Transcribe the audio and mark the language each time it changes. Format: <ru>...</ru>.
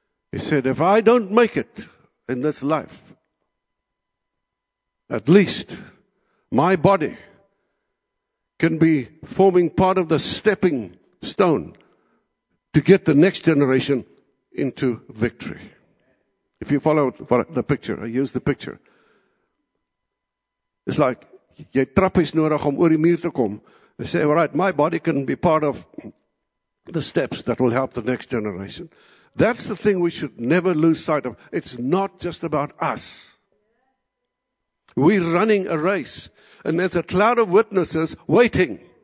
<en>He said, if I don't make it in this life, at least my body can be forming part of the stepping stone to get the next generation into victory. If you follow the picture, I use the picture. It's like,</en> <af>jy trap is nodig om oor die muur te kom.</af> <en>They say, all right, my body can be part of the steps that will help the next generation. That's the thing we should never lose sight of. It's not just about us. We're running a race, and there's a cloud of witnesses waiting.</en>